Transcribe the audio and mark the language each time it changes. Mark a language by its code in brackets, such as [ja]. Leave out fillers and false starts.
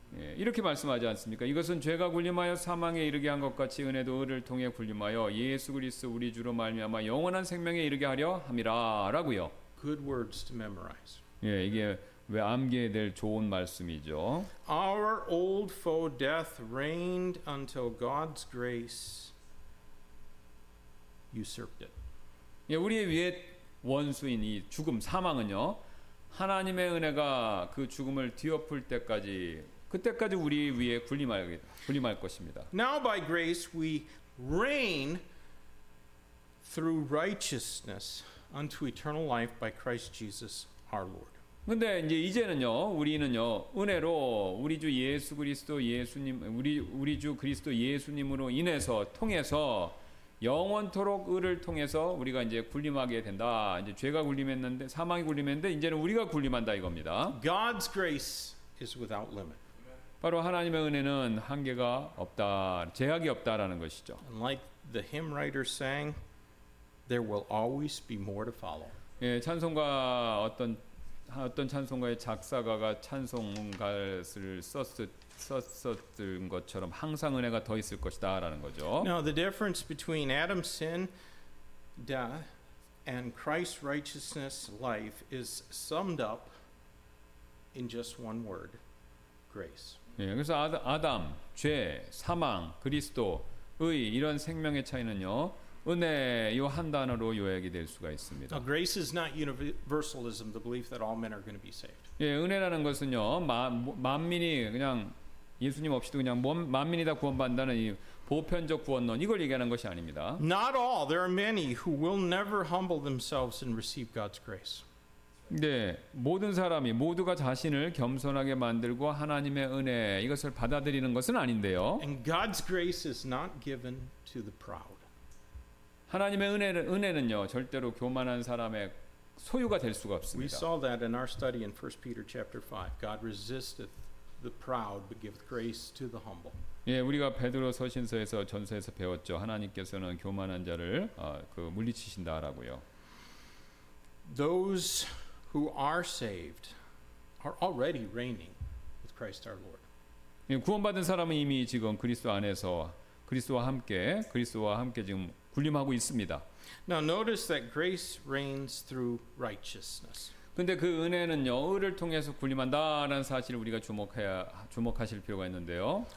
[ko] 예, 이렇게 말씀하지 않습니까? 이것은 죄가 군림하여 사망에 이르게 한 것 같이 은혜도 의를 통해 군림하여 예수 그리스도 우리 주로 말미암아 영원한 생명에 이르게 하려 함이라라고요. [en] Good words to memorize. [ko] 예, 이게 왜 암기해야 될 좋은 말씀이죠. [en] Our old foe death reigned until God's grace usurped it. [ko] 예, 우리의 위에 원수인 이 죽음 사망은요 하나님의 은혜가 그 죽음을 뒤엎을 때까지. 그때까지 우리 위에 군림할 것입니다. [en] Now by grace we reign through righteousness unto eternal life by Christ Jesus our Lord. [ko] 근데 이제 이제는요. 우리는요. 은혜로 우리 주 예수 그리스도 예수님 우리 주 그리스도 예수님으로 인해서 통해서 영원토록 의를 통해서 우리가 이제 군림하게 된다. 이제 죄가 군림했는데 사망이 군림했는데 이제는 우리가 군림한다 이겁니다. [en] God's grace is without limit. [ko] 바로 하나님의 은혜는 한계가 없다, 제약이 없다라는 것이죠. [en] And like the hymn writer sang, there will always be more to follow. [ko] 예, 찬송가 어떤 찬송가의 작사가가 찬송가를 썼던 것처럼 항상 은혜가 더 있을 것이다라는 거죠. [en] Now the difference between Adam's sin, death, and Christ's righteousness, life, is summed up in just one word, grace. [ko] 예, 그래서 아담, 죄, 사망, 그리스도, 의 이런 생명의 차이는요 은혜 이 한 단어로 요약이 될 수가 있습니다. [en] Now, grace is not universalism, the belief that all men are going to be saved. [ko] 예, 은혜라는 것은요 만민이 그냥 예수님 없이도 그냥 만민이 다 구원받는다는 이 보편적 구원론 이걸 얘기하는 것이 아닙니다. [en] Not all. There are many who will never humble themselves and receive God's grace. [ko] 네, 모든 사람이 모두가 자신을 겸손하게 만들고 하나님의 은혜 이것을 받아들이는 것은 아닌데요. [en] And God's grace is not given to the proud. [ko] 하나님의 은혜는요 절대로 교만한 사람의 소유가 될 수가 없습니다. [en] We saw that in our study in 1 Peter chapter 5. God resisteth the proud, but giveth grace to the humble. [ko] 예, 우리가 베드로 서신서에서 전서에서 배웠죠. 하나님께서는 교만한 자를 물리치신다라고요. [en] Those who are saved are already reigning with Christ our Lord. [ko] 예, 구원받은 사람은 이미 지금 그리스도 안에서 그리스도와 함께 지금 군림하고 있습니다. [en] Now notice that grace reigns through righteousness. [ko] 근데 그 은혜는요, 의를 통해서 군림한다라는 사실을 우리가 주목하실 필요가 있는데요.